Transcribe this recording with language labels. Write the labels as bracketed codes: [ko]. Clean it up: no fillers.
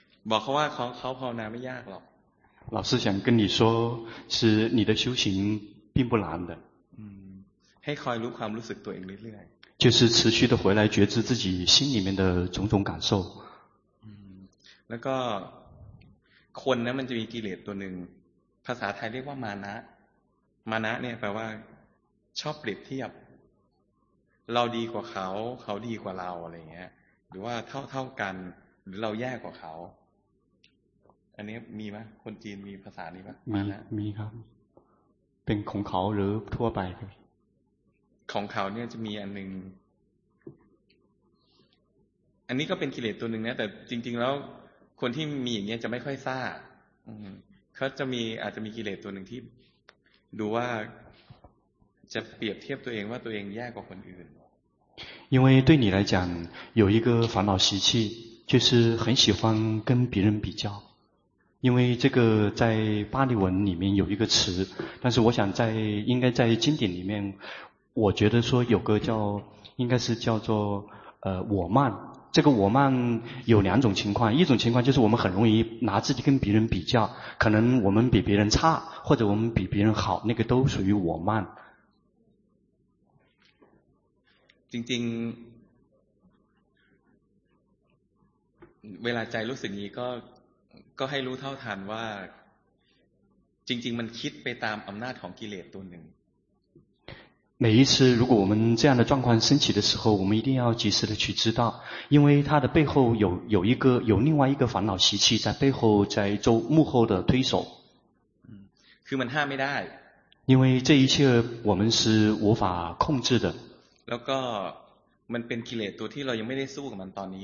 [th] บอกเขาว่าเขาภาวนาไม่ยากหรอก [zh] 老师想跟你说是你的修行并不难的 [th] ให้คอยรู้ความรู้สึกตัวเองเรื่อย [zh] ๆ就是持续的回来觉知自己心里面的种种感受 [th] แล้วก็คนนั้นมันจะมีกิเลสตัวหนึ่งภาษาไทยเรียกว่ามานะมานะเนี่ยแปลว่าชอบเปรียบเทียบเราดีกว่าเขาดีกว่าเราอะไรเงี้ยหรือว่าเท่าๆกันหรือเราแย่กว่าเขาอันนี้มีไหมคนจีนมีภาษานี้ไหม มีครับ ป็นของเขาหรือทั่วไป ของเขาเนี่ยจะมีอันนึงอันนี้ก็เป็นกิเลสตัวนึงนะแต่จริงๆแล้วคนที่มีอย่างเงี้ยจะไม่ค่อยซ่าเขาจะมีอาจจะมีกิเลสตัวนึงที่ดูว่าจะเปรียบเทียบตัวเองว่าตัวเองแย่กว่าคนอื่น [zh] 因为对你来讲有一个烦恼习气就是很喜欢跟别人比较因为这个在巴利文里面有一个词但是我想在应该在经典里面我觉得说有个叫应该是叫做我慢这个我慢有两种情况一种情况就是我们很容易拿自己跟别人比较可能我们比别人差或者我们比别人好那个都属于我慢 [th] จริงเวลาใจรู้สึกนี้ก็ให้รู้เท่าทันว่าจริงๆมันคิดไปตามอำนาจของกิเลสตัวหนึ่ง [zh] 每一次如果我们这样的状况升起的时候我们一定要及时的去知道因为它的背后有一个有另外一个烦恼习气在背后在做幕后的推手 [th] คือมันห้ามไม่ได้ [zh] 因为这一切我们是无法控制的 [th] แล้วก็มันเป็นกิเลสตัวที่เรายังไม่ได้สู้กับมันตอนนี